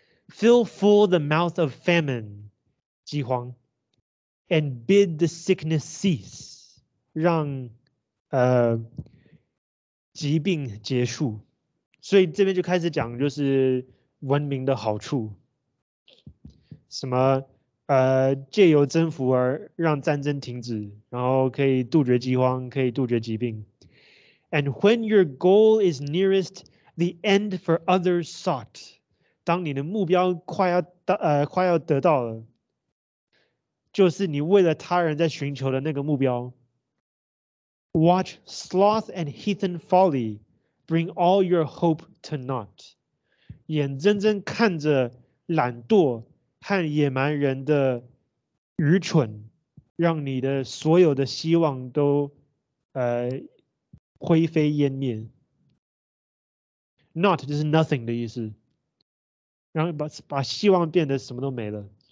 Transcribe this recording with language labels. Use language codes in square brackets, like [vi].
[en] Fill full the mouth of famine, 饥荒 and bid the sickness cease, [zh] 让疾病结束。所以这边就开始讲就是文明的好处，什么借由征服而让战争停止，然后可以杜绝饥荒，可以杜绝疾病。 [en] And when your goal is nearest, the end for others sought. [zh] 当你的目标快要得到了，就是你为了他人在寻求的那个目标。 [en] Watch sloth and heathen folly bring all your hope to naught. [zh] 眼睁睁看着懒惰和野蛮人的愚蠢，让你的所有的希望都灰飞烟灭。 Not 就是 nothing 的意思，然后 把希望变得什么都没了。